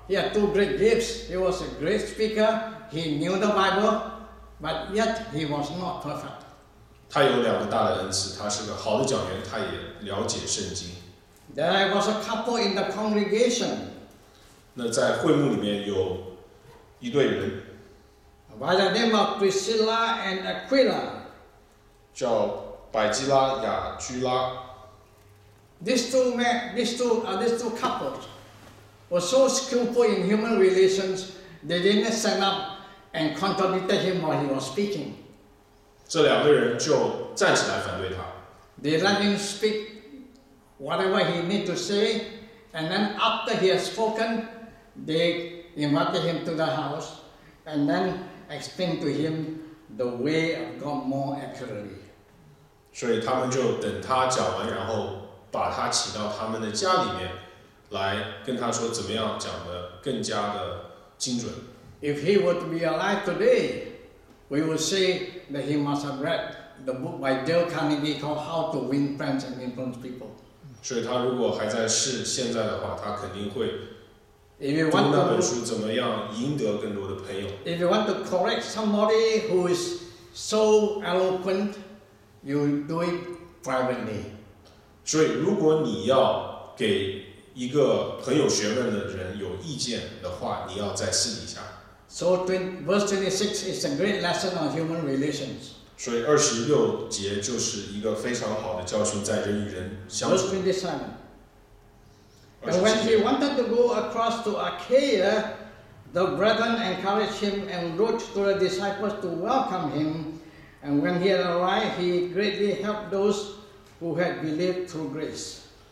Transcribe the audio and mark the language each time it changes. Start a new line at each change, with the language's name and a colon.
English: He had two great gifts. He was a great speaker. He knew the Bible, but yet he was not perfect.
Chinese: 他有两个大的恩赐，他是个好的讲员，他也了解圣经。
English: There was a couple in the congregation.
Chinese: 那在会幕里面有一对人。
English: By the name of Priscilla and Aquila.
Chinese: 叫百基拉、雅居拉。
English: These two couples were so skillful in human relations, they didn't stand up and contradicted him while he was speaking.
Chinese: 这两个人就站起来反对他。
English: They let him speak whatever he needed to say, and then after he had spoken, they invited him to the house, and then explained to him the way of God more accurately.
Chinese: 所以他们就等他讲完，然后把他请到他们的家里面，来跟他说怎么样讲得更加的精准。
English: If he would be alive today, we would say that he must have read the book by Dale Carnegie called How to Win Friends and Influence People.
Chinese: 所以他如果还在世现在的话，他肯定会读那本书，怎么样赢得更多的朋友。
English: If you want to correct somebody who is so eloquent, you do it privately.
Chinese: 所以如果你要给一个很有学问的人有意见的话，你要在私底下。
English: So verse 26 is a great lesson on human relations.
Chinese: 所以二十六节就是一个非常好的教训，在人与人相处。
English: Verse 27. And when he wanted to go across to Achaia, the brethren encouraged him and wrote to the disciples to welcome him. And when he had arrived, he greatly helped those who had believed through grace.